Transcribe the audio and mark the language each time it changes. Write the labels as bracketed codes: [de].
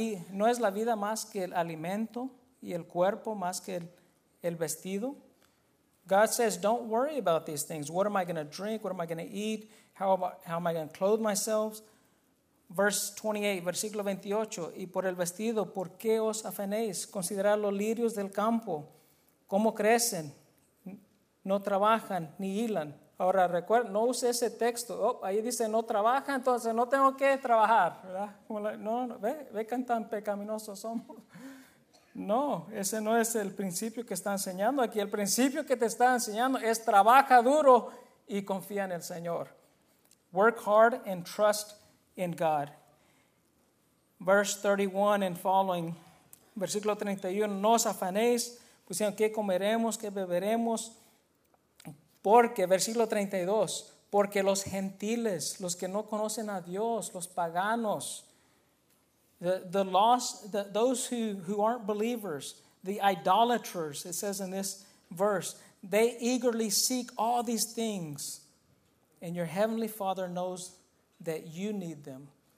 [es] No es la vida más que el alimento, y el cuerpo más que el vestido. [en] God says, don't worry about these things. What am I going to drink? What am I going to eat? How am I going to clothe myself? [es] Verse 28, versículo 28, y por el vestido, ¿por qué os afanéis? Considerad los lirios del campo, cómo crecen, no trabajan, ni hilan. Ahora, recuerda, no use ese texto. Oh, ahí dice, no trabaja, entonces no tengo que trabajar, ¿verdad? Como la, ve qué tan pecaminosos somos. No, ese no es el principio que está enseñando aquí. El principio que te está enseñando es trabaja duro y confía en el Señor. [en] Work hard and trust in God. Verse 31 and following. [es] Versículo 31, no os afanéis, pues sino qué comeremos, qué beberemos. Porque, versículo 32, porque los gentiles, los que no conocen a Dios, los paganos, [en] those who aren't believers, the idolaters, it says in this verse, they eagerly seek all these things, and your heavenly Father knows that you need them.